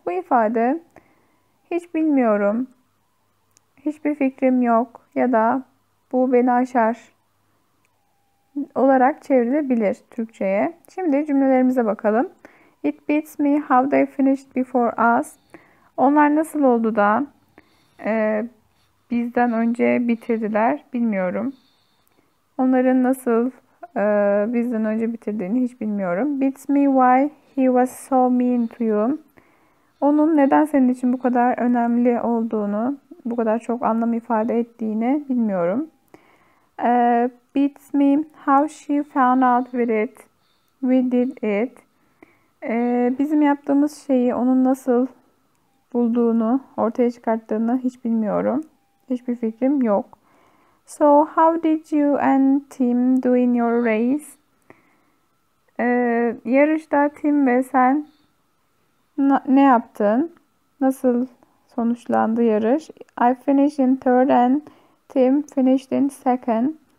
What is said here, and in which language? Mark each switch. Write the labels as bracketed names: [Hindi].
[Turkish] Bu ifade hiç bilmiyorum, hiçbir fikrim yok ya da bu beni aşar olarak çevrilebilir Türkçe'ye. Şimdi cümlelerimize bakalım. [English] It beats me how they finished before us. [Turkish] Onlar nasıl oldu da bizden önce bitirdiler bilmiyorum. Onların nasıl bizden önce bitirdiğini hiç bilmiyorum. [English] Beats me why he was so mean to you. [Turkish] Onun neden senin için bu kadar önemli olduğunu, bu kadar çok anlam ifade ettiğini bilmiyorum. [English] Beats me how she found out with it. We did it. [Turkish] Bizim yaptığımız şeyi onun nasıl bulduğunu, ortaya çıkarttığını hiç bilmiyorum. Hiçbir fikrim yok. [English] So, how did you and Tim do in your race? [Turkish] Yarışta Tim ve sen ne yaptın? Nasıl sonuçlandı yarış? [English] I finished in third and Tim finished in second.